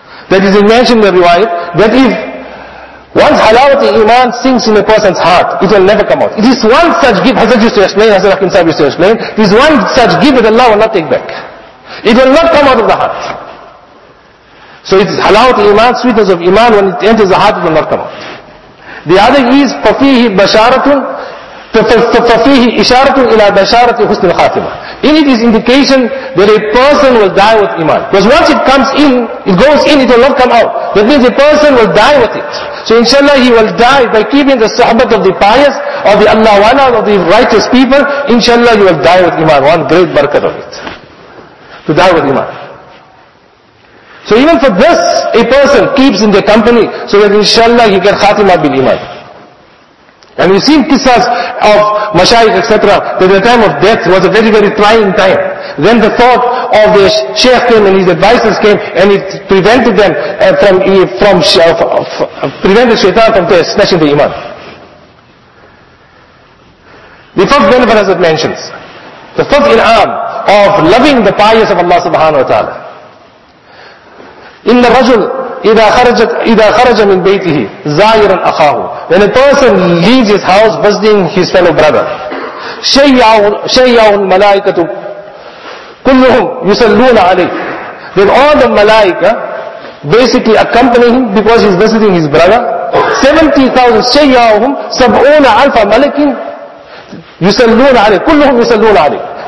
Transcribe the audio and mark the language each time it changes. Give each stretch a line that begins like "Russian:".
English: That is mentioned in the riwayat, that if once halawati iman sinks in a person's heart, it will never come out. It is one such gift, Hazrat used to explain, Hazrat Rakhim Sahib used to explain, it is one such gift that Allah will not take back. It will not come out of the heart. So it is halawati iman, sweetness of iman, when it enters the heart, it will not come out.
Arabic: The other is, فَفِيهِ بَشَارَةٌ فَفِيهِ إِشَارَةٌ إِلَىٰ بَشَارَةِ حُسْنِ الْخَاتِمَةِ.
English: In it is indication that a person will die with iman. Because once it comes in, it goes in, it will not come out. That means a person will die with it. So inshallah he will die by keeping the sohbat of the pious, of the Allah wala, of the righteous people. Inshallah you will die with iman. One great barakah of it. To die with iman. So even for this, a person keeps in the company so that inshallah he can khatima bil iman. And we've seen kisses of mashayikh, etc., that the time of death was a very, very trying time. Then the thought of the sheikh came and his advisors came and it prevented them prevented shaitan from snatching the iman. The fourth benefit, as it mentions, the fourth in'am of loving the pious of Allah subhanahu wa ta'ala.
Arabic: Inna rajul إِذَا خَرَجَ مِنْ بَيْتِهِ زَائِرًا أَخَاهُ.
English: When a person leaves his house visiting his fellow brother, شَيَّعُ الْمَلَائِكَةُ كُلُّهُمْ يُسَلُّونَ عَلَيْهِ. Then all the malaika basically accompany him because he's visiting his brother.
Arabic: 70,000 شَيَّعُهُمْ سَبْعُونَ عَلْفَ مَلَكٍ يُسَلُّونَ عَلَيْهِ كُلُّهُمْ يُسَلُّونَ عَلَيْهِ.